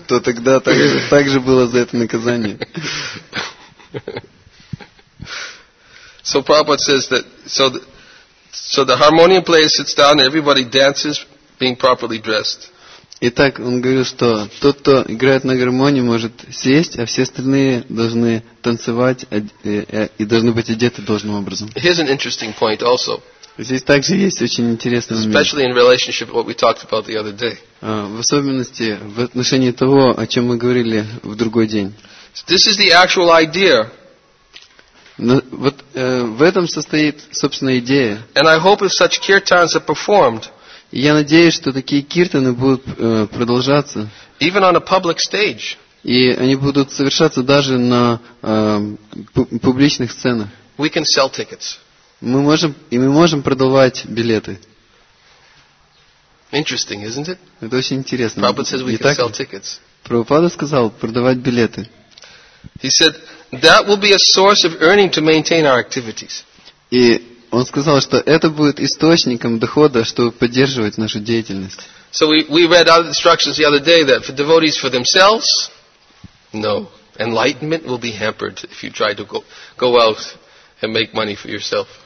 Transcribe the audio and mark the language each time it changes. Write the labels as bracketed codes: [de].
[ru] То тогда также было за это наказание. [en] So Prabhupada says that so the harmonium player sits down and everybody dances being properly dressed. [ru] Итак, он говорил, что тот, кто играет на гармонии, может сесть, а все остальные должны танцевать и должны быть одеты должным образом. [en] Here's an interesting point also. [ru] Здесь также есть очень интересный момент. [en] Especially in relationship to what we talked about the other day. [ru] В особенности в отношении того, о чем мы говорили в другой день. [en] This is the actual idea. [ru] Вот в этом состоит собственная идея. [en] And I hope if such kirtans are performed. [ru] Я надеюсь, что такие киртаны будут продолжаться. [en] Even on a public stage. [ru] И они будут совершаться даже на публичных сценах. [en] We can sell tickets. [ru] Мы можем продавать билеты. [en] Interesting, isn't it? [ru] Это очень интересно. [en] Prabhupada says we can sell tickets. [ru] Прабхупада сказал продавать билеты. [en] He said that will be a source of earning to maintain our activities. [ru] И он сказал, что это будет источником дохода, чтобы поддерживать нашу деятельность. [en] So we read out the instructions the other day that for devotees for themselves, no, enlightenment will be hampered if you try to go out and make money for yourself.